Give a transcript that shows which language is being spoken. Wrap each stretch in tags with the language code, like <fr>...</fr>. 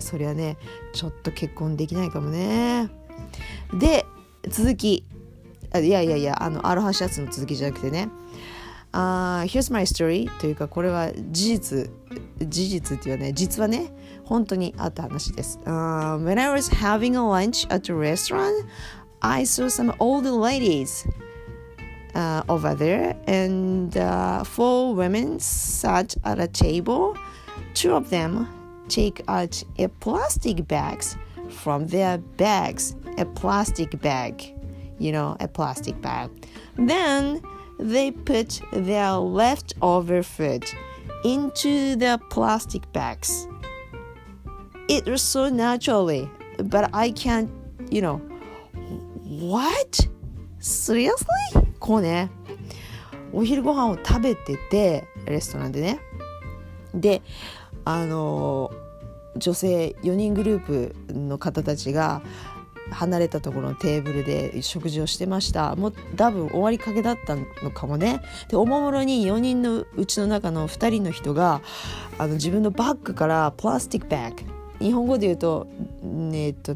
<ja>そりゃね、ちょっと結婚できないかもね。で続き、いやいやいや、あのアロハシャツの続きじゃなくてね、</ja> <en>Here's my story</en> <ja>というか、これは事実、事実っていうね、実はね本当にあった話です。</ja> <en>When I was having a lunch at a restaurant, I saw some old ladiesover there, and four women sat at a table. Two of them take out a plastic bags from their bags. A plastic bag, you know, a plastic bag. Then they put their leftover food into the plastic bags. It was so naturally, but I can't, you know, what? Seriously?</en> <ja>こうね、お昼ご飯を食べててレストランでね、で女性4人グループの方たちが離れたところのテーブルで食事をしてました。もう多分終わりかけだったのかもね。でおもむろに4人のうちの中の2人の人が、あの自分のバッグからプラスティックバッグ、日本語で言うと何、</ja>